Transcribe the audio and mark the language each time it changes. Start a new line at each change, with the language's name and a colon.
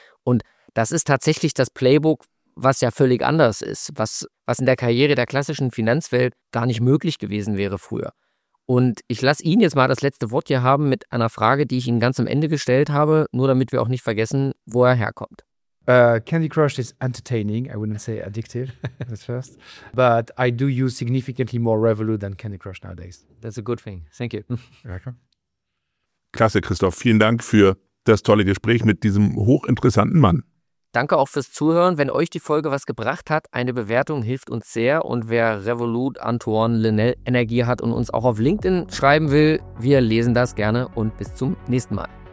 German: Und das ist tatsächlich das Playbook, was ja völlig anders ist, was in der Karriere der klassischen Finanzwelt gar nicht möglich gewesen wäre früher. Und ich lasse ihn jetzt mal das letzte Wort hier haben mit einer Frage, die ich ihm ganz am Ende gestellt habe, nur damit wir auch nicht vergessen, wo er herkommt.
English: Candy Crush is entertaining. I wouldn't say addictive at first. But I do use significantly more Revolut than Candy Crush nowadays. That's a good thing. Thank you.
German: Klasse, Christoph. Vielen Dank für das tolle Gespräch mit diesem hochinteressanten Mann. Danke auch fürs Zuhören. Wenn euch die Folge was gebracht hat, eine Bewertung hilft uns sehr. Und wer Revolut, Antoine, Linnell Energie hat und uns auch auf LinkedIn schreiben will, wir lesen das gerne und bis zum nächsten Mal.